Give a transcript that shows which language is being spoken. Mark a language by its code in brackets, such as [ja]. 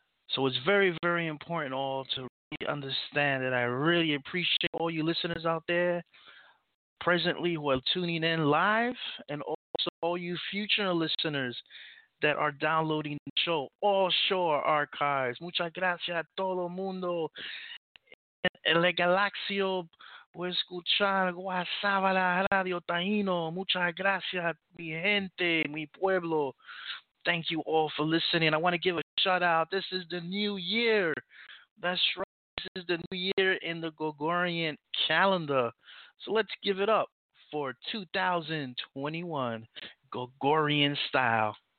[en] So it's very, very important all to really understand that I really appreciate all you listeners out there presently who are tuning in live, and also all you future listeners that are downloading the show, all show archives. [es] Muchas gracias a todo mundo en el galaxio por escuchar Guasabala Radio Taino. Muchas gracias, mi gente, mi pueblo. [en] Thank you all for listening. I want to give a shout out. This is the new year. That's right. This is the new year in the Gregorian calendar. So let's give it up for 2021 Gregorian style.